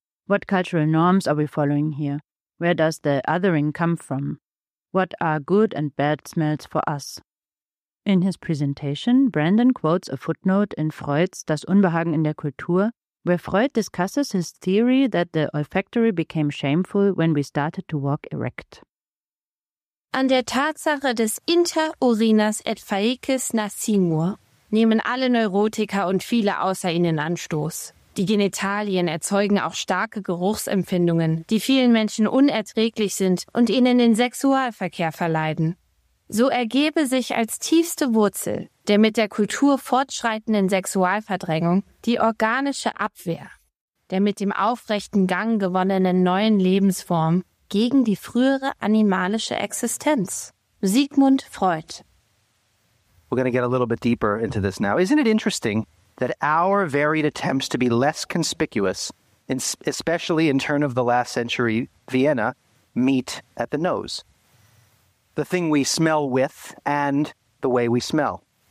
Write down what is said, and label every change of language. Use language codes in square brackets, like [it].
[en] What cultural norms are we following here? Where does the othering come from? What are good and bad smells for us? In his presentation, Brandon quotes a footnote in Freud's Das Unbehagen in der Kultur, where Freud discusses his theory that the olfactory became shameful when we started to walk erect. [de] An der Tatsache des [la] Interurinas et Faeces nascimur [de] nehmen alle Neurotiker und viele außer ihnen Anstoß. Die Genitalien erzeugen auch starke Geruchsempfindungen, die vielen Menschen unerträglich sind und ihnen den Sexualverkehr verleiden. So ergebe sich als tiefste Wurzel der mit der Kultur fortschreitenden Sexualverdrängung die organische Abwehr der mit dem aufrechten Gang gewonnenen neuen Lebensform gegen die frühere animalische Existenz. [en] Sigmund Freud. We're going to get a little bit deeper into this now. Isn't it interesting that our varied attempts to be less conspicuous, especially in turn of the last century Vienna, meet at the nose? The thing we smell with and the way we smell.